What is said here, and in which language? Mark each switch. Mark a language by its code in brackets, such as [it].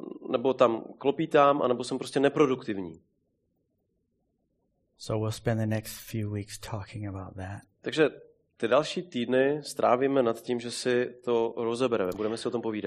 [cs] nebo tam klopítám, anebo jsem prostě neproduktivní. [en] So we'll spend the next few weeks talking about that. [cs] Takže ty další týdny strávíme nad tím, že si to rozebereme, budeme si o tom povídat.